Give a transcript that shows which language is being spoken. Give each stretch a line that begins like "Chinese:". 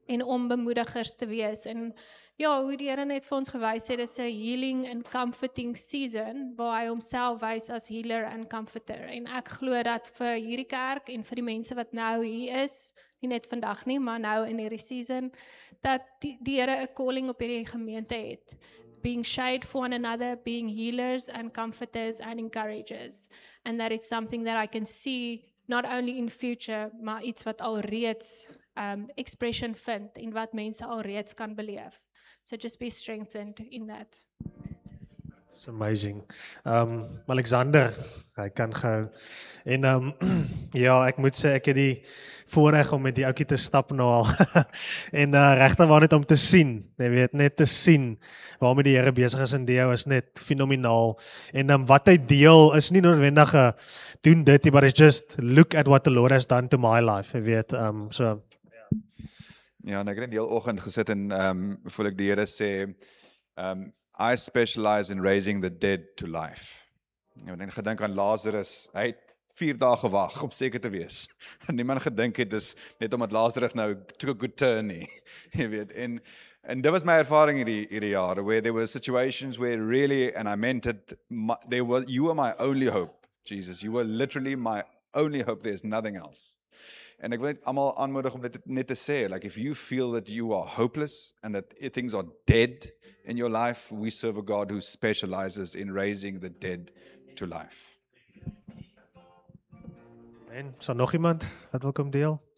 Afrikaans: En om bemoedigers te wees. En ja, hoe die Here net vir ons gewys het, is
English: a healing and comforting season,
Afrikaans: waar hy homself wys as
English: healer and comforter.
Afrikaans: En ek glo dat vir hierdie kerk en vir die mense wat nou hier is, nie net vandag nie, maar nou in hierdie season, dat die Here 'n calling op hierdie gemeente het.
English: Being shade for one another, being healers and comforters and encouragers. And that it's something that I can see, not only in future,
Afrikaans: maar iets wat alreeds expression vind en wat mense alreeds kan beleef.
English: So just be strengthened in that. It's amazing.
Afrikaans: Alexander, hy kan gou. En ja, ek moet sê, ek het die voorreg om met die oukie te stap nou al. En regtig waar net om te sien. Jy weet, net te sien waarmee die Here besig is in jou is net fenomenaal. En wat hy deel is nie noodwendig doen dit,
English: but it's just look at what the Lord has done to my life.
Afrikaans: Jy weet, so. Ja, en ek het die hele oggend gesit en voel ek die Here sê,
English: I specialize in raising the dead to life.
Afrikaans: Ek het gedink aan Lazarus. Hy het 4 dae gewag om seker te wees. Niemand gedink het dis net omdat Lazarus nou
English: took a good turn
Afrikaans: nie. Jy weet, en dit was my ervaring hierdie jaar
English: where there were situations where really, and I meant it, you were my only hope, Jesus. You were literally my only hope. There's nothing else.
Afrikaans: En ek wil net almal aanmoedig om dit net te sê,
English: like if you feel that you are hopeless and that things are dead in your life, we serve a God who specializes in raising the dead to life.
Afrikaans: En is daar nog iemand wat wil kom deel?